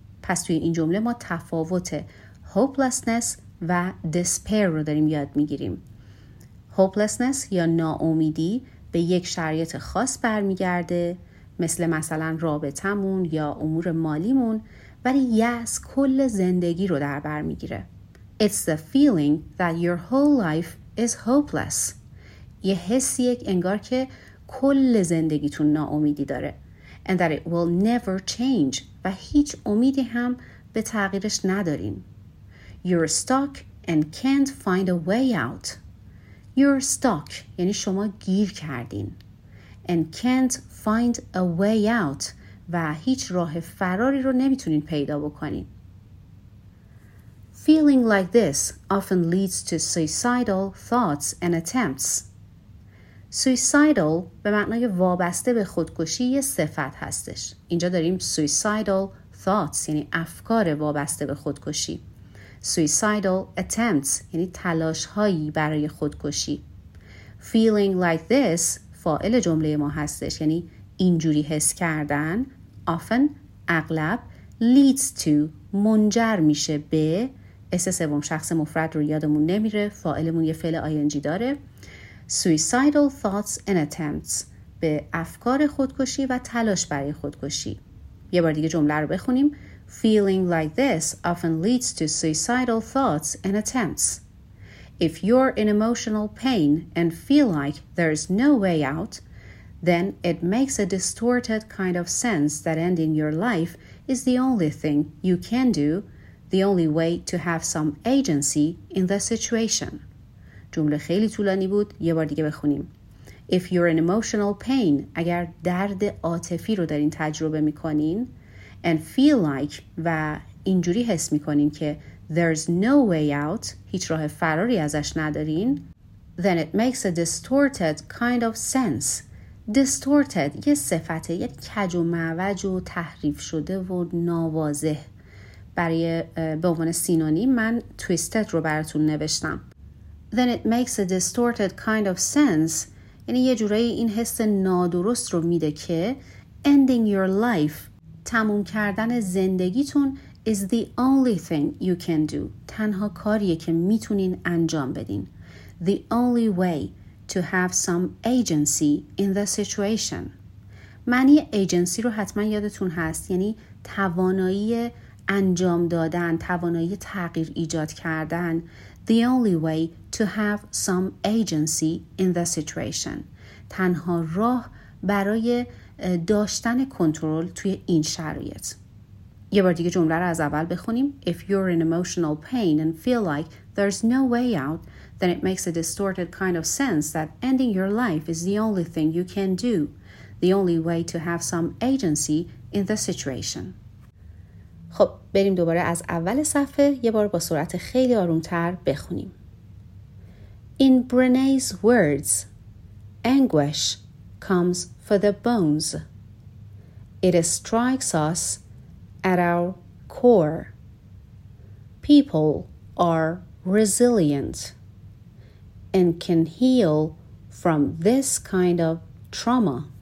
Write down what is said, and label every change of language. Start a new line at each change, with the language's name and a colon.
Persian: پس توی این جمله ما تفاوت hopelessness و despair رو داریم یاد میگیریم. Hopelessness یا ناامیدی به یک شرایط خاص برمیگرده مثلا رابطمون یا امور مالیمون ولی یأس کل زندگی رو در بر میگیره.
English: It's the feeling that your whole life is hopeless.
Persian: یه حسی یک انگار که کل زندگیتون ناامیدی داره.
English: And that it will never change.
Persian: و هیچ امیدی هم به تغییرش ندارین.
English: You're stuck and can't find a way out. You're stuck
Persian: یعنی شما گیر کردین.
English: And can't find a way out.
Persian: و هیچ راه فراری رو نمیتونین پیدا بکنین.
English: Feeling like this often leads to suicidal thoughts and attempts.
Persian: Suicidal به معنای وابسته به خودکشی یه صفت هستش. اینجا داریم suicidal thoughts یعنی افکار وابسته به خودکشی. Suicidal attempts یعنی تلاش هایی برای خودکشی.
English: Feeling like this
Persian: فاعل جمله ما هستش، یعنی اینجوری حس کردن often اغلب
English: leads to
Persian: منجر میشه به اس سوم شخص مفرد رو یادمون نمیره، فاعلمون یه فعل ing داره.
English: Suicidal thoughts and attempts
Persian: به افکار خودکشی و تلاش برای خودکشی. یه بار دیگه جمله رو بخونیم.
English: Feeling like this often leads to suicidal thoughts and attempts. If you're in emotional pain and feel like there's no way out, then it makes a distorted kind of sense that ending your life is the only thing you can do, the only way to have some agency in the situation.
Persian: جمله خیلی طولانی بود، یه بار دیگه بخونیم.
English: If you're in emotional pain،
Persian: اگر درد عاطفی رو دارین تجربه میکنین،
English: and feel like
Persian: و اینجوری حس میکنین که
English: there's no way out،
Persian: هیچ راه فراری ازش ندارین،
English: then it makes a distorted kind of sense.
Persian: Distorted یه صفته، یه کج و معوج و تحریف شده و ناواضح. برای به عنوان سینونیم من twisted رو براتون نوشتم.
English: Then it makes a distorted kind of sense.
Persian: یعنی یه جورایی این حس نادرست رو میده که
English: ending your life،
Persian: تموم کردن زندگیتون،
English: is the only thing you can do،
Persian: تنها کاریه که میتونین انجام بدین.
English: The only way to have some agency in the situation.
Persian: معنی agency رو حتما یادتون هست، یعنی توانایی انجام دادن، توانایی تغییر ایجاد کردن.
English: The only way to have some agency in the situation.
Persian: تنها راه برای داشتن کنترل توی این شرایط. یه بار دیگه جمله رو از اول بخونیم.
English: If you're in emotional pain and feel like there's no way out, then it makes a distorted kind of sense that ending your life is the only thing you can do. The only way to have some agency in the situation.
Persian: خب بریم دوباره از اول صفحه یه بار با سرعت خیلی آرومتر بخونیم.
English: In Brené's words, anguish comes for the bones. It strikes us at our core. People are resilient and can heal from this kind of trauma.